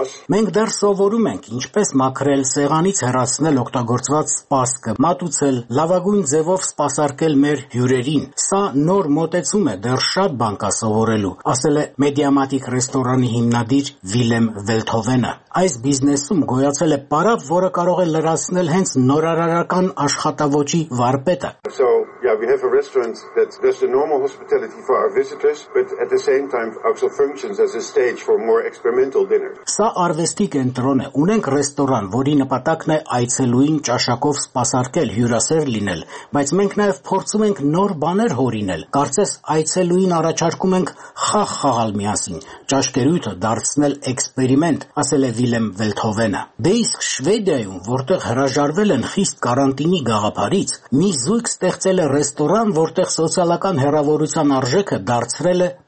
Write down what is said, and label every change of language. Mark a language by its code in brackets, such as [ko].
[hy] Մենք դեռ սովորում ենք, ինչպես մաքրել, սեղանից հեռացնել օգտագործված սպասքը, մատուցել, լավագույն ձևով սպասարկել մեր հյուրերին։ Սա նոր մոտեցում է, դեռ շատ բան կա սովորելու, ասել է Մեդիամատիկ ռեստորանի հիմնադիր Վիլեմ Վելթովենը։ Այս բիզնեսում գոյացել է պարապ, որը կարող է լրացնել հենց նորարարական աշխատավոճի վարպետը։ [en] So, yeah. Yeah, we have a restaurant that does the normal hospitality for our visitors, but at the same time also functions as a stage for more experimental dinner. [hy] Սա արվեստի կենտրոն է, ունենք ռեստորան, որի նպատակն է այցելուին ճաշակով սպասարկել, հյուրասեր լինել, բայց մենք նաև փորձում ենք նոր բաներ հորինել, կարծես այցելուին առաջարկում ենք խաղ խաղալ միասին, ճաշկերույթը դարձնել էքսպերիմենտ, ասել է Վիլեմ Վելթովենը։ Դե իսկ Շվեդիայում, որտեղ հրաժարվել են խիստ կարանտինի գաղափարից, մի զույգ ստեղծել է ռեստորան, որտեղ սոցիալական հեռավորության արժեքը դարձրել է